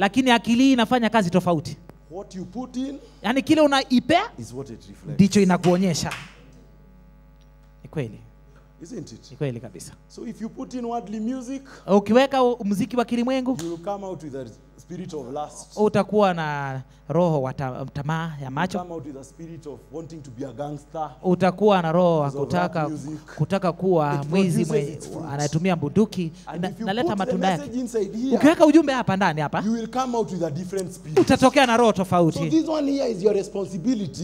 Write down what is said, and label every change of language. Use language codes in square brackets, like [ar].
[sw] Lakini akili inafanya kazi tofauti. [en] What you put in, [sw] yani kile unaipea, [en] is what it reflects. [sw] Ndicho inakuonyesha. Ni kweli. [en] Isn't it? [sw] Kweli kabisa. [en] So if you put in worldly music, [sw] ukiweka muziki wa kilimwengu, [en] you will come out with a spirit of lust. [sw] Utakuwa na roho wa tamaa ya macho. [en] You will come out with a spirit of wanting to be a gangster. [sw] Utakuwa na roho wa kutaka kuwa mwizi anayetumia bunduki. Naleta matunda yake. Ukiweka ujumbe hapa ndani hapa, [en] you will come out with a different spirit. [sw] Utatokea na roho tofauti. [en] So this one here is your responsibility.